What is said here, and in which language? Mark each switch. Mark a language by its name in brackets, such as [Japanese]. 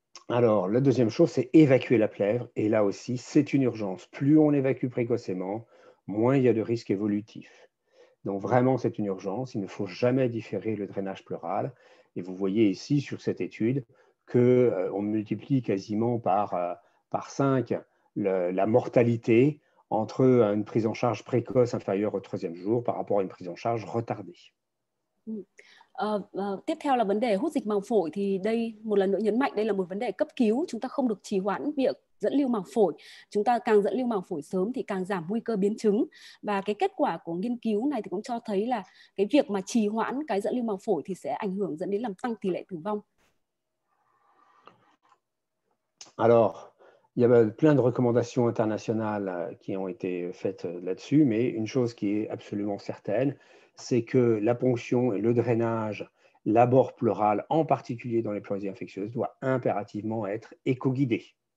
[French] Alors, la deuxième chose, c'est évacuer la plèvre. Et là aussi, c'est une urgence. Plus on évacue précocement, moins il y a de risque évolutif. Donc vraiment, c'est une urgence. Il ne faut jamais différer le drainage pleural. Et vous voyez ici, sur cette étude, qu'on multiplie quasiment par 5 la mortalité entre une prise en charge précoce inférieure au 3e jour par rapport à une prise en charge retardée. [Vietnamese] Tiếp theo là vấn đề hút dịch màng phổi. Thì đây, một lần nữa nhấn mạnh, đây là một vấn đề cấp cứu. Chúng ta không được trì hoãn việc dẫn lưu màng phổi. Chúng ta càng dẫn lưu màng phổi sớm thì càng giảm nguy cơ biến chứng. Và cái kết quả của nghiên cứu này thì cũng cho thấy là cái việc mà trì hoãn cái dẫn lưu màng phổi thì sẽ ảnh hưởng dẫn đến làm tăng tỷ lệ tử vong. [French] Alors, il y a plein de recommandations internationales qui ont été faites là-dessus, mais une chose qui est absolument certaine, c'est que la ponction et le drainage, l'abord pleural, en particulier dans les pleurésies infectieuses, doit impérativement être éco-guidé.